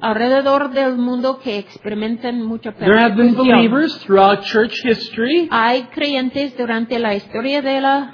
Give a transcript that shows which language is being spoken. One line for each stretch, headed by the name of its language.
Spanish: Alrededor del mundo que experimentan mucha persecución.
English: There have been believers throughout church history
Spanish: Hay creyentes durante la historia de la